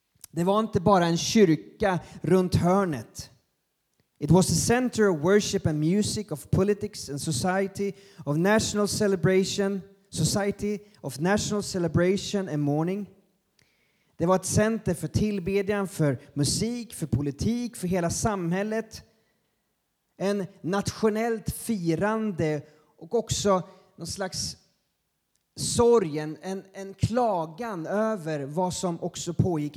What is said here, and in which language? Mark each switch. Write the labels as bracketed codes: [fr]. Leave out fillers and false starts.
[sv] Det var inte bara en kyrka runt hörnet. [en] It was the center of worship and music, of politics and society, of national celebration, society of national celebration and mourning. [sv] Det var ett center för tillbedjan, för musik, för politik, för hela samhället. En nationellt firande och också någon slags sorgen, en klagan över vad som också pågick.